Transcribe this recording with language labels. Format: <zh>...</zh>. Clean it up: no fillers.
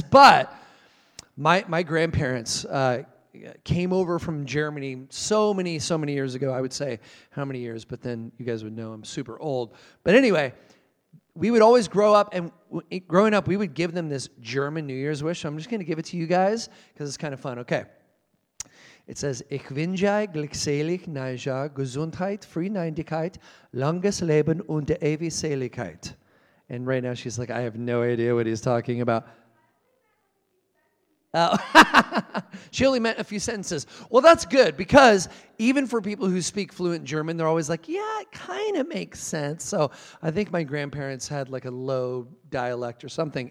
<en>But my grandparents came over from Germany so many years ago. I would say how many years, but then you guys would know I'm super old. But anyway, we would always grow up, and growing up, we would give them this German New Year's wish. So I'm just going to give it to you guys because it's kind of fun. Okay. It says,</en> <de>Ich wünsche glückselig, neujahr, Gesundheit, Freundlichkeit, langes Leben und ewige Seligkeit.</de> <en>And right now she's like, I have no idea what he's talking about. She only meant a few sentences. Well, that's good, because even for people who speak fluent German, they're always like, yeah, it kind of makes sense. So I think my grandparents had like a low dialect or something.</en>